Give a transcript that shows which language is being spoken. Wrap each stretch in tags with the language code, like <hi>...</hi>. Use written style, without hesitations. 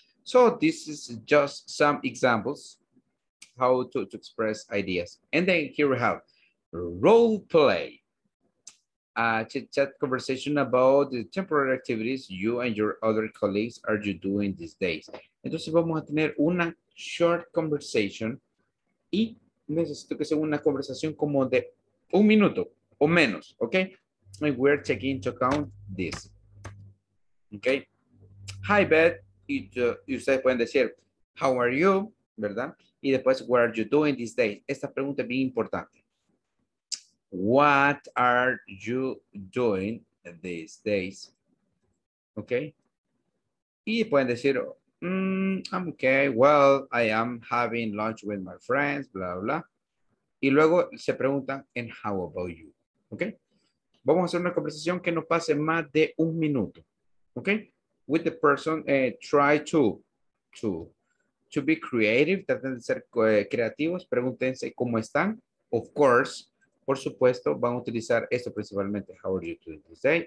<en>So this is just some examples how to express ideas. And then here we have role play. Chat conversation about the temporary activities you and your other colleagues are you doing these days.</en> <es>Entonces vamos a tener una</es> <en>short conversation</en> <es>y necesito que sea una conversación como de un minuto o menos, okay?</es> <en>And we're taking into account this, okay? Hi, Beth.</en> <es>Y ustedes pueden decir,</es> <en>how are you,</en> <es>¿verdad? Y después,</es> <en>what are you doing these days?</en> <es>Esta pregunta es bien importante.</es> <en>What are you doing these days? Okay.</en> <es>Y pueden decir,</es> <en>I'm okay. Well, I am having lunch with my friends, blah, blah.</en> <es>Y luego se preguntan,</es> <en>and how about you? Okay.</en> <es>Vamos a hacer una conversación que no pase más de un minuto.</es> <en>Okay. With the person, try to be creative.</en> <es>Traten de ser creativos. Pregúntense cómo están.</es> <en>Of course.</en> <es>Por supuesto, van a utilizar esto principalmente.</es> <en>How are you doing today?</en>